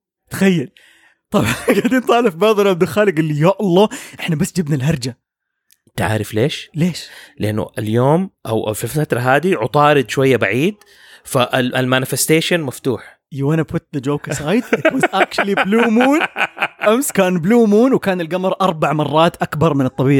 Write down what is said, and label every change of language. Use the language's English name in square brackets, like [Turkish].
[Arabic] تخيل. طبعا قاعدين طالف بعضنا بدخالق اللي يا الله احنا بس جبنا الهرجة. تعرف ليش؟ ليش؟ لأنه اليوم أو في الفترة هذه عطارد شوية بعيد فالمانفستيشن مفتوح. [English] You wanna put the joke aside, it was actually blue moon. [Arabic] أمس كان blue moon وكان القمر 4 مرات أكبر من الطبيعي.